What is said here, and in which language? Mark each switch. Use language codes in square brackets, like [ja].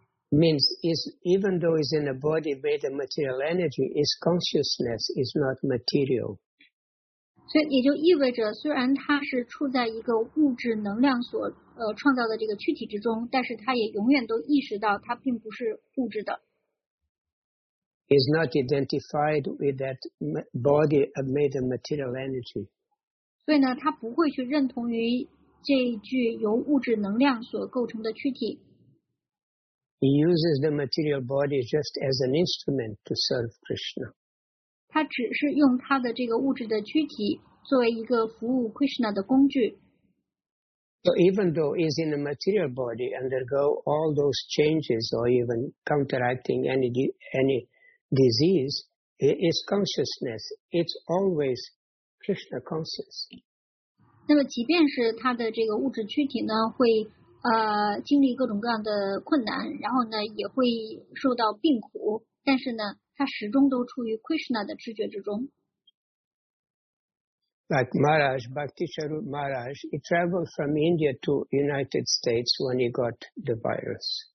[en] Means is even though he's in a body made of material energy, his consciousness is not material. [zh] 所以也就意味着，虽然他是处在一个物质能量所创造的这个躯体之中，但是他也永远都意识到他并不是物质的。 [en] He's not identified with that body made of material energy. [zh] 所以呢，他不会去认同于这具由物质能量所构成的躯体。 [en] He uses the material body just as an instrument to serve Krishna. [zh] 他只是用他的这个物质的躯体作为一个服务 Krishna 的工具。 [en] So even though he's in a material body, undergo all those changes or even counteracting any disease, his consciousness, it's always Krishna conscious. [zh] 那么即便是他的这个物质躯体呢，会经历各种各样的困难，然后呢也会受到病苦，但是呢他始终都处于 Krishna 的知觉之中。 [en] Like Maharaj, Bhakti Swarup Maharaj, he traveled from India to United States when he got the virus.